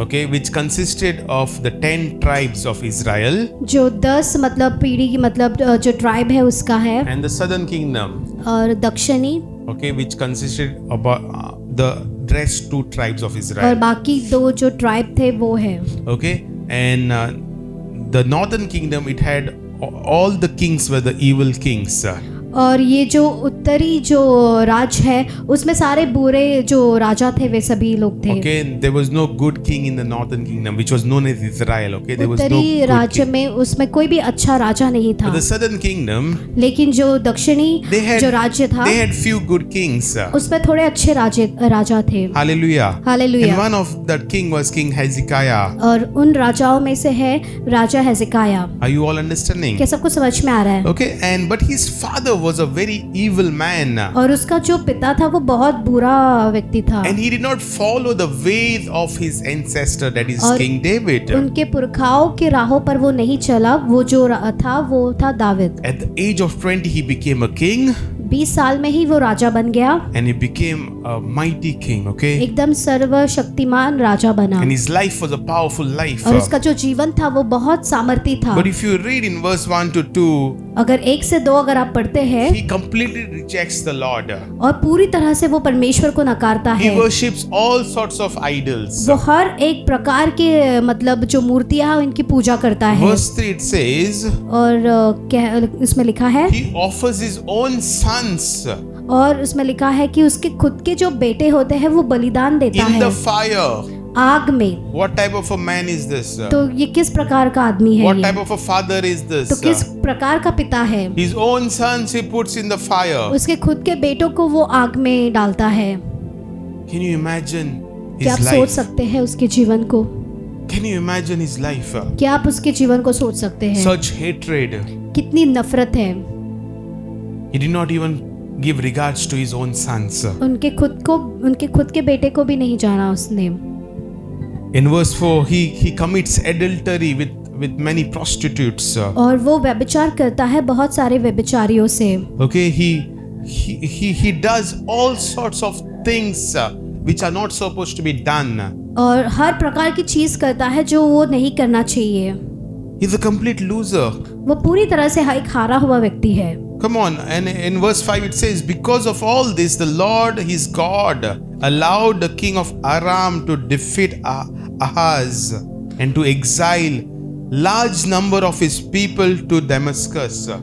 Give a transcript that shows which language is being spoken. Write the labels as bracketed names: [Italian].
[English] okay, which consisted of the 10 tribes of Israel, [Hindi] जो 10 मतलब पीढ़ी की मतलब जो ट्राइब है उसका है. [English] And the southern kingdom, [Hindi] और दक्षिणी, [English] okay, which consisted about the rest 2 tribes of Israel, [Hindi] और बाकी दो जो ट्राइब थे वो है. [English] Okay, and the northern kingdom, it had all the kings were the evil kings. [Hindi] और ये जो उत्तरी जो राज है उसमें सारे बुरे जो राजा थे वे सभी लोग थे. [English] Okay, there was no good king in the northern kingdom which was known as Israel. Okay, there was [Hindi] no उत्तरी राज्य में उसमें कोई भी अच्छा राजा नहीं था. [English] But the southern kingdom, [Hindi] लेकिन जो दक्षिणी जो राज्य था, [English] they had few good kings. [Hindi] उसमें थोड़े अच्छे राजा थे. [English] Hallelujah. Hallelujah. And one of that king was King Hezekiah. [Hindi] और उन राजाओं में से है राजा हेजिकाया. [English] Are you all understanding? [Hindi] क्या सबको समझ में आ रहा है? [English] Okay, and but his father was a very evil man. [Hindi] और उसका जो पिता था वो बहुत बुरा व्यक्ति था. [English] And he did not follow the ways of his ancestor, that is King David. [Hindi] उनके पुरखाओं के राहों पर वो नहीं चला. वो जो था वो था David. [English] At the age of 20 he became a king. [Hindi] 20 साल में ही वो राजा बन गया. [English] And he became a mighty king, okay? [Hindi] एकदम सर्वशक्तिमान राजा बना. [English] And his life was a powerful life. [Hindi] और उसका जो जीवन था वो बहुत सामर्थ्य था. [English] But if you read in verse 1 to 2, [Hindi] अगर एक से दो अगर आप पढ़ते हैं, [English] he completely rejects the Lord. [Hindi] और पूरी तरह से वो परमेश्वर को नकारता है. [English] He worships all sorts of idols. [Hindi] वो हर एक प्रकार के मतलब जो मूर्तियां हैं उनकी पूजा करता है. [English] Verse 3 it says, [Hindi] और उसमें लिखा है, [English] he offers his own sons. [Hindi] और उसमें लिखा है कि उसके खुद के जो बेटे होते हैं वो बलिदान देता [English] in In the fire. [Hindi] आग में. [English] What type of a man is this? [Hindi] तो ये किस प्रकार का आदमी है? [English] What type of a father is this? [Hindi] तो किस प्रकार का पिता है? [English] His own sons he puts in the fire. [Hindi] उसके खुद के बेटों को वो आग में डालता है. [English] Can you imagine his life? [Hindi] क्या आप सोच सकते हैं उसके जीवन को? [English] Can you imagine his life? [Hindi] क्या आप उसके जीवन को सोच सकते हैं? [English] Such hatred. [Hindi] कितनी नफरत है. [English] He did not even give regards to his own sons. [Hindi] उनके खुद के बेटे को भी नहीं जाना उसने. [English] In verse 4, he commits adultery with many prostitutes. [Hindi] और वो व्यभिचार करता है बहुत सारे व्यभिचारियों से. [English] Okay, he does all sorts of things which are not supposed to be done. [Hindi] और हर प्रकार की चीज करता है जो वो नहीं करना चाहिए. [English] He's a complete loser. [Hindi] वो पूरी तरह से एक हारा हुआ व्यक्ति है. [English] Come on, and in verse 5 it says, because of all this, the Lord his God allowed the king of Aram to defeat Ahaz and to exile large number of his people to Damascus.